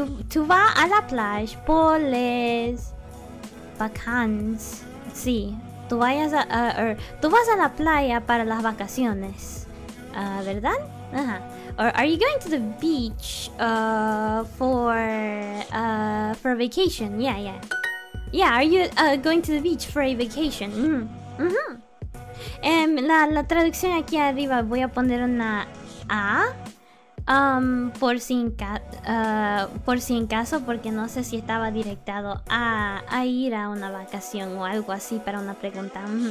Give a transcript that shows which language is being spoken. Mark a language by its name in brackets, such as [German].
[French] Tu vas à la plage pour les vacances. [Spanish] Sí. Tu vas a la playa para las vacaciones. ¿Verdad? Ajá. [English] Or are you going to the beach for a vacation? Yeah, are you going to the beach for a vacation? [Spanish] La traducción aquí arriba, voy a poner una A. Por si en caso, porque no sé si estaba directado a ir a una vacación o algo así para una pregunta.